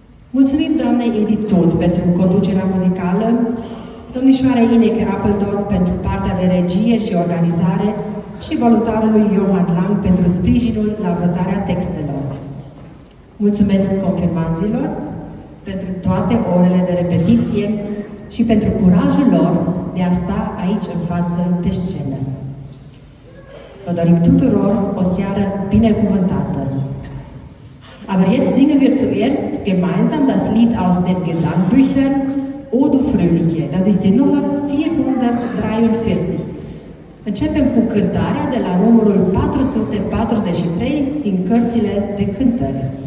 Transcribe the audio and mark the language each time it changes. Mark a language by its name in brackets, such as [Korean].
[Romanian] Mulțumim doamnei Edith Todd pentru conducerea muzicală, domnișoare Ineke Appeldorf pentru partea de regie și organizare și voluntarului Johan Lang pentru sprijinul la învățarea textelor. Mulțumesc confirmanților pentru toate orele de repetiție și pentru curajul lor de a sta aici în față pe scenă. Vă dorim tuturor o seară binecuvântată. [German] Aber jetzt singen wir zuerst gemeinsam das Lied aus den Gesangbüchern O du Fröhliche, das ist die Nummer 443. [Romanian] Începem cu cântarea de la numărul 443 din cărțile de cântări.